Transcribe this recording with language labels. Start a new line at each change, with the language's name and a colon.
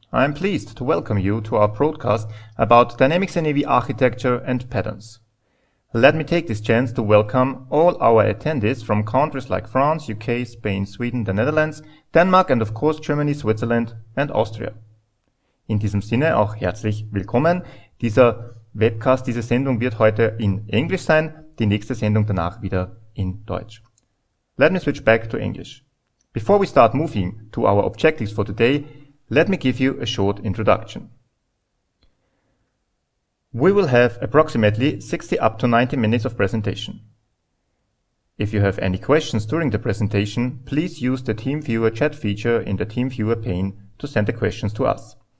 English: I'm pleased to welcome you to our broadcast about Dynamics NAV architecture and patterns. Let me take this chance to welcome all our attendees from countries like France, UK, Spain, Sweden, the Netherlands, Denmark and of course Germany, Switzerland and Austria.
German: In diesem Sinne auch herzlich willkommen. Dieser Webcast, diese Sendung wird heute in Englisch sein, die nächste Sendung danach wieder in Deutsch.
English: Let me switch back to English. Before we start moving to our objectives for today, let me give you a short introduction. We will have approximately 60 up to 90 minutes of presentation. If you have any questions during the presentation, please use the TeamViewer chat feature in the TeamViewer pane to send the questions to us.